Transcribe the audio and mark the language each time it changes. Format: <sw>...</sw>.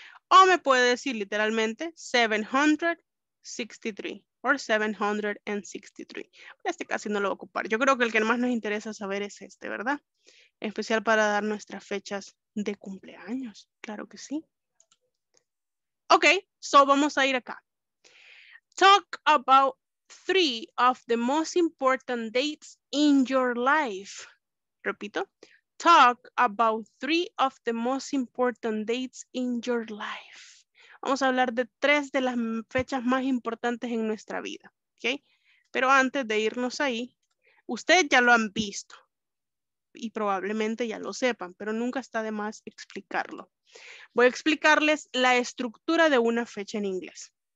<es>O me puede decir literalmente 763 or 763. Este casi no lo voy a ocupar. Yo creo que el que más nos interesa saber es este, ¿verdad? Especial para dar nuestras fechas de cumpleaños. Claro que sí. Ok, so vamos a ir acá.</es> <en>talk about three of the most important dates in your life. Repito, talk about three of the most important dates in your life.</en> <es>Vamos a hablar de tres de las fechas más importantes en nuestra vida, ¿ok? Pero antes de irnos ahí, ustedes ya lo han visto y probablemente ya lo sepan, pero nunca está de más explicarlo. Voy a explicarles la estructura de una fecha en inglés.</es>